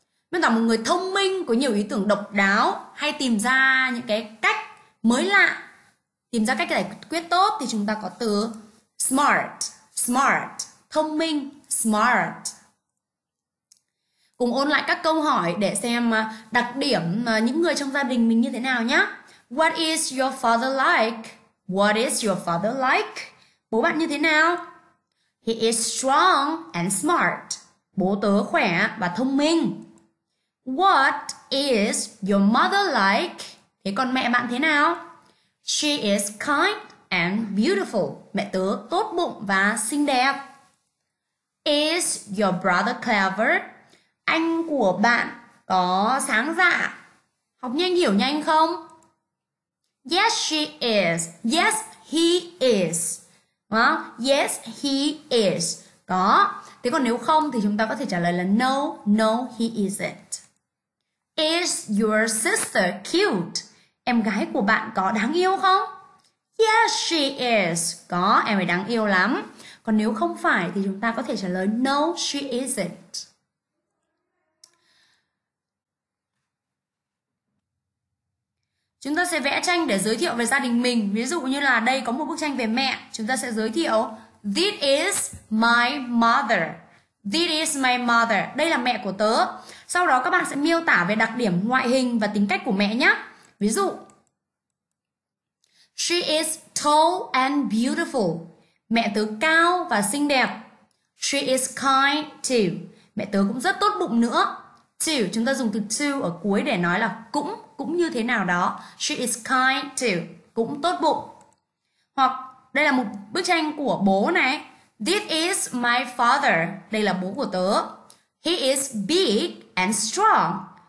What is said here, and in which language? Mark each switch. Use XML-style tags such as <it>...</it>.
<vi>Miêu tả một người thông minh, có nhiều ý tưởng độc đáo, hay tìm ra những cái cách mới lạ, tìm ra cách giải quyết tốt thì chúng ta có từ smart, smart, thông minh, smart. Cùng ôn lại các câu hỏi để xem đặc điểm những người trong gia đình mình như thế nào nhé.</vi> <en>What is your father like? What is your father like?</en> <vi>Bố bạn như thế nào?</vi> <en>He is strong and smart.</en> <vi>Bố tớ khỏe và thông minh.</vi> <en>What is your mother like?</en> <vi>Thế còn mẹ bạn thế nào?</vi> <en>She is kind and beautiful.</en> <vi>Mẹ tớ tốt bụng và xinh đẹp.</vi> <en>Is your brother clever?</en> <vi>Anh của bạn có sáng dạ, học nhanh hiểu nhanh không?</vi> <en>Yes, she is. Yes, he is.</en> <vi>Đó.</vi> <en>Yes, he is.</en> <vi>Có. Thế còn nếu không thì chúng ta có thể trả lời là</vi> <en>no, no, he isn't. Is your sister cute?</en> <vi>Em gái của bạn có đáng yêu không?</vi> <en>Yes, she is.</en> <vi>Có, em ấy đáng yêu lắm. Còn nếu không phải thì chúng ta có thể trả lời</vi> <en>no, she isn't.</en> <vi>Chúng ta sẽ vẽ tranh để giới thiệu về gia đình mình. Ví dụ như là đây có một bức tranh về mẹ. Chúng ta sẽ giới thiệu</vi> <en>This is my mother. This is my mother.</en> <vi>Đây là mẹ của tớ. Sau đó các bạn sẽ miêu tả về đặc điểm ngoại hình và tính cách của mẹ nhé. Ví dụ,</vi> <en>She is tall and beautiful.</en> <vi>Mẹ tớ cao và xinh đẹp.</vi> <en>She is kind too.</en> <vi>Mẹ tớ cũng rất tốt bụng nữa. Too, chúng ta dùng từ to ở cuối để nói là cũng, cũng như thế nào đó.</vi> <en>She is kind too.</en> <vi>Cũng tốt bụng. Hoặc đây là một bức tranh của bố này.</vi> <en>This is my father.</en> <vi>Đây là bố của tớ.</vi> <en>He is big and strong.</en>